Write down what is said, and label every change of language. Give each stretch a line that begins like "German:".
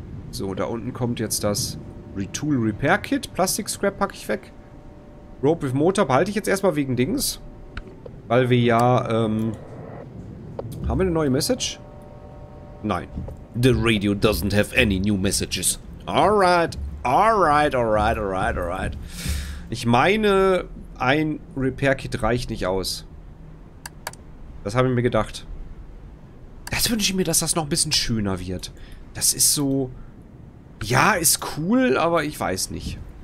German: So, da unten kommt jetzt das Retool Repair Kit. Plastik Scrap packe ich weg. Rope with Motor behalte ich jetzt erstmal wegen Dings. Weil wir ja, haben wir eine neue Message? Nein.
English: The radio doesn't have any new messages. Alright. Alright, alright, alright, alright.
German: Ich meine, ein Repair Kit reicht nicht aus. Das habe ich mir gedacht. Jetzt wünsche ich mir, dass das noch ein bisschen schöner wird. Das ist so. Ja, ist cool, aber ich weiß nicht.